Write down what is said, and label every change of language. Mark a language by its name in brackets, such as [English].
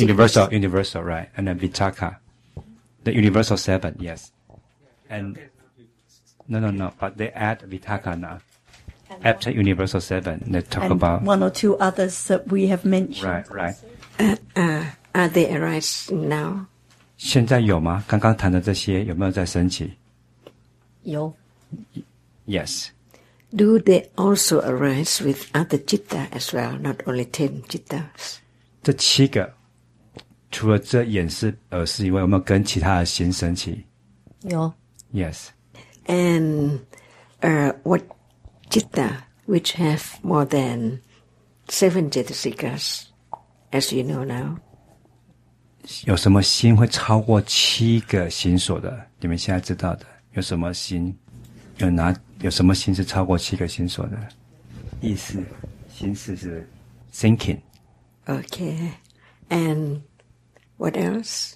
[English] Universal, universal, right? And then Vitaka, the universal seven, yes. And no. But they add Vitaka now. After universal seven, they talk and about one or two others that we have mentioned. Right. Are they arise now? [Chinese] 现在有吗？刚刚谈的这些有没有在升起？有。 [English] Yes. Do they also arise with other citta as well, not only ten cittas? [Chinese] 这七个，除了这眼识、耳识以外，有没有跟其他的心升起？有。 [English] Yes. And, what citta which have more than seven cittasikas, as you know now? [Chinese] 有什么心会超过七个心所的？你们现在知道的有什么心？有什么心是超过七个心所的？意识、心识是 thinking。 [English] Okay, and what else?